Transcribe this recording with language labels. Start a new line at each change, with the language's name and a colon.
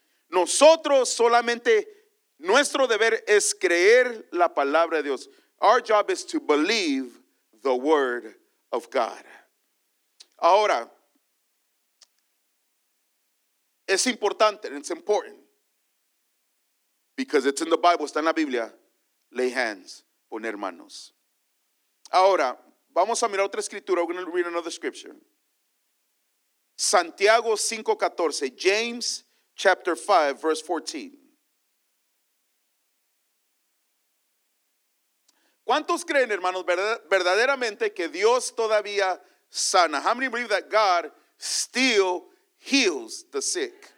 Spanish: Nosotros solamente, nuestro deber es creer la palabra de Dios.
English: Our job is to believe the word of God.
Spanish: Ahora, Es importante.
English: It's important. Because it's in the Bible.
Spanish: Está en la Biblia.
English: Lay hands.
Spanish: Poner manos. Ahora, vamos a mirar otra escritura.
English: We're going to read another scripture. Santiago 5:14. James chapter 5, verse 14.
Spanish: ¿Cuántos creen, hermanos, verdaderamente que Dios todavía sana?
English: How many believe that God still heals the sick?